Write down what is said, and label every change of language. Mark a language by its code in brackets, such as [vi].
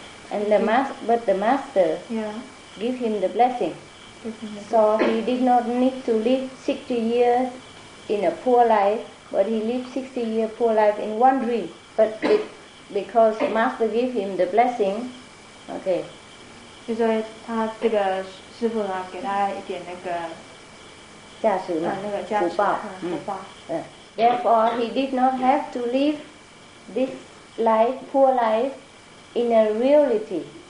[en] And the master, but the master, give him the blessing. So he did not need to live 60 years in a poor life, but he lived 60 years poor life in one dream. But because master gave him the blessing, okay. [zh] 就说他这个师父呢，给他一点那个加持嘛，那个加持福报， [en] Therefore, he did not have to live this life, poor life, in reality.